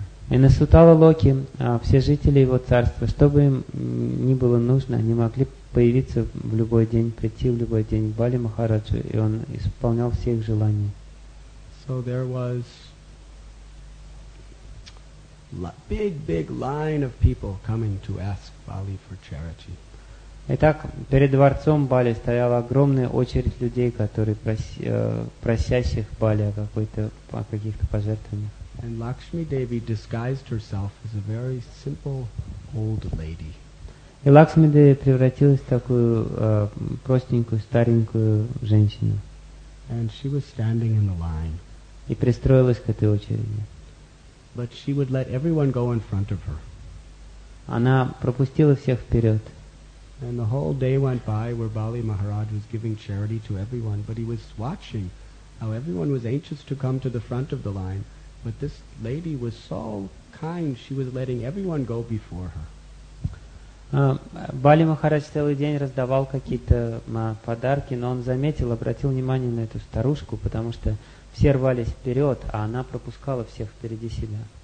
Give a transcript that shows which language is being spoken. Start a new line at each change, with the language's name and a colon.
Russian: И на Сутала Локе все жители его царства, что бы им ни было нужно, они могли появиться в любой день, прийти в любой день к Бали Махараджу, и он исполнял все их желания.
English: So there was big line of people coming to ask Bali for charity.
Russian: Итак, перед дворцом Бали стояла огромная очередь людей, которые просящих Бали о каких-то пожертвованиях.
English: And Lakshmi Devi disguised herself as a very simple old lady.
Russian: И Лакшми Деви превратилась в такую простенькую старенькую женщину.
English: And she was standing in the line.
Russian: И пристроилась к этой очереди.
English: But she would let everyone go in front of her.
Russian: Она пропустила всех вперед.
English: And the whole day went by where Bali Maharaj was giving charity to everyone, but he was watching how everyone was anxious to come to the front of the line. But this lady was so kind, she was letting everyone go before her.
Russian: Бали Махарадж целый день раздавал какие-то подарки, но он заметил, обратил внимание на эту старушку, потому что все рвались вперед, а она пропускала всех впереди себя.